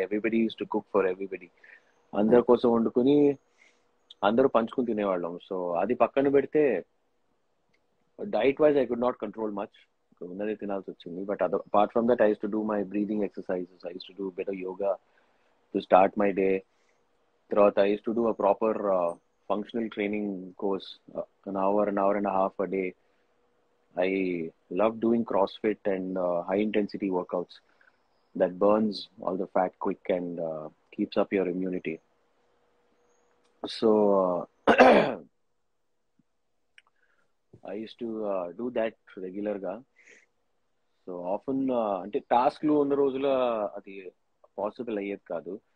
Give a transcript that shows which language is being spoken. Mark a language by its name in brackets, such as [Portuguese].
[English] Everybody used to cook for everybody, [Telugu] andar kosam vandukoni అందరూ పంచుకుని తినేవాళ్ళం. సో అది పక్కన పెడితే [English] diet wise I could not control much [Telugu] ఉన్నదే తినాల్సి వచ్చింది. [English] But other apart from that I use to do my breathing exercises, I use to do better yoga to start my day. [Telugu] తర్వాత [English] I use to do a proper functional training course, an hour and half a day. I love doing cross fit and high intensity workouts that burns all the fat quick and keeps up your immunity. So, I used to do that regularly. [Telugu] So, often, ante task lo unna rojula adi possible ayyadu kaadu.